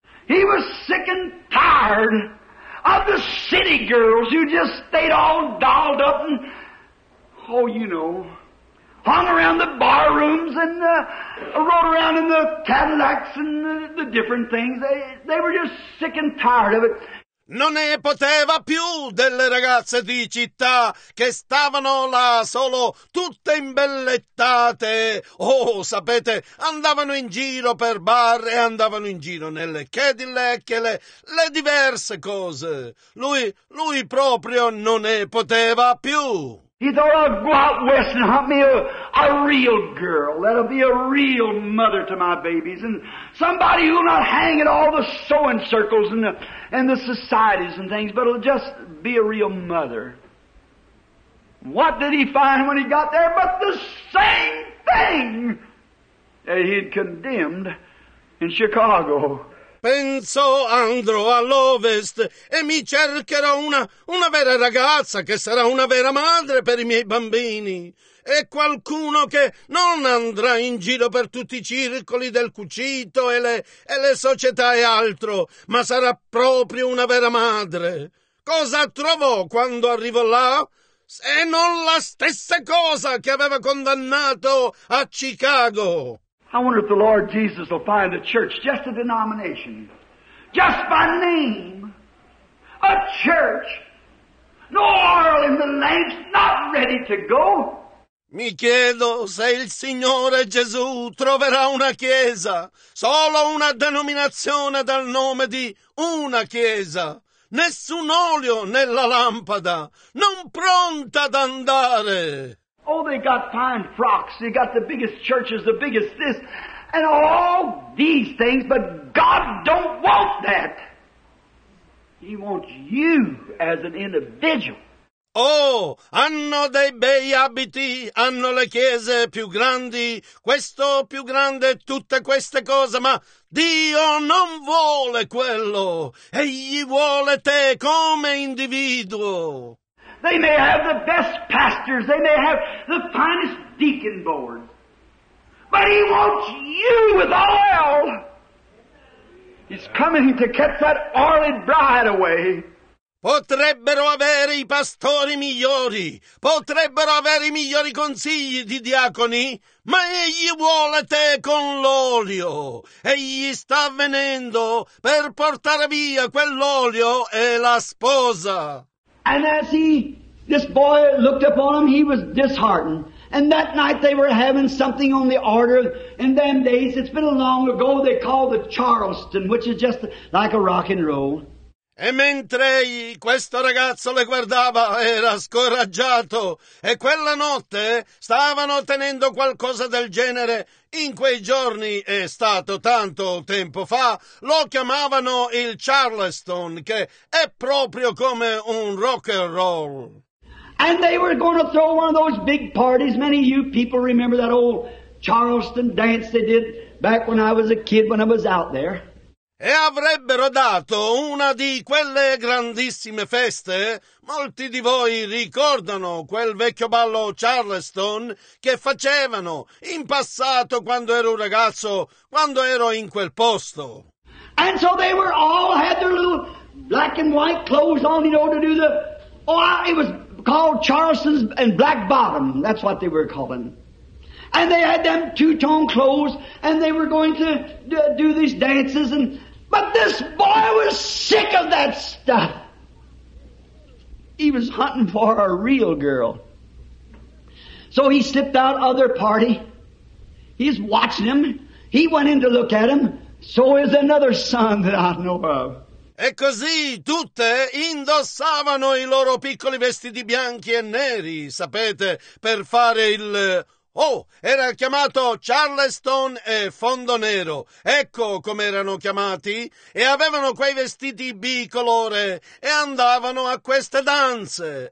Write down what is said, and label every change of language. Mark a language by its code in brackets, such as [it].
[en] He was sick and tired of the city girls who just stayed all dolled up and, oh, you know, hung around the bar rooms and rode around in the Cadillacs and the different things. They were just sick and tired of it. [it] Non ne poteva più delle ragazze di città che stavano là solo tutte imbellettate. Oh, sapete, andavano in giro per bar e andavano in giro nelle Cadillac e le diverse cose. Lui proprio non ne poteva più. [en] He thought, I'll go out west and hunt me a real girl that'll be a real mother to my babies and somebody who'll not hang in all the sewing circles and the societies and things, but'll just be a real mother. What did he find when he got there but the same thing that he'd condemned in Chicago? [it] Penso andrò all'ovest e mi cercherò una vera ragazza che sarà una vera madre per i miei bambini e qualcuno che non andrà in giro per tutti i circoli del cucito e le società e altro, ma sarà proprio una vera madre. Cosa trovò quando arrivò là? Se non la stessa cosa che aveva condannato a Chicago. [en] I wonder if the Lord Jesus will find a church, just a denomination, just by name, a church, no oil in the lamps, not ready to go. [it] Mi chiedo se il Signore Gesù troverà una chiesa, solo una denominazione dal nome di una chiesa, nessun olio nella lampada, non pronta ad andare. [en] Oh, they got fine frocks, they got the biggest churches, the biggest this, and all these things, but God don't want that. He wants you as an individual. [it] Oh, hanno dei bei abiti, hanno le chiese più grandi, questo più grande, tutte queste cose, ma Dio non vuole quello. Egli vuole te come individuo. [en] They may have the best pastors, they may have the finest deacon board, But he wants you with oil. He's coming to catch that oiled bride away. [it] Potrebbero avere i pastori migliori, potrebbero avere i migliori consigli di diaconi, ma egli vuole te con l'olio. Egli sta venendo per portare via quell'olio e la sposa. [en] And as he, this boy looked upon him, he was disheartened. And that night they were having something on the order. In them days, it's been a long ago, they called the Charleston, which is just like a rock and roll. [it] E mentre questo ragazzo le guardava, era scoraggiato. E quella notte stavano tenendo qualcosa del genere. In quei giorni, è stato tanto tempo fa, lo chiamavano il Charleston, che è proprio come un rock and roll. [en] And they were going to throw one of those big parties. Many of you people remember that old Charleston dance they did back when I was a kid, when I was out there. [it] E avrebbero dato una di quelle grandissime feste. Molti di voi ricordano quel vecchio ballo Charleston che facevano in passato quando ero un ragazzo, quando ero in quel posto. [en] And so they were all had their little black and white clothes on, you know, to do the... Oh, it was called Charleston's and Black Bottom, that's what they were calling. And they had them two-tone clothes, and they were going to do these dances, and but this boy was sick of that stuff. He was hunting for a real girl. So he slipped out of their party. He's watching him. He went in to look at him. So is another son that I know of. [it] E così tutte indossavano i loro piccoli vestiti bianchi e neri, sapete, per fare il... Oh, era chiamato Charleston e Fondo Nero. Ecco come erano chiamati. E avevano quei vestiti bicolore e andavano a queste danze.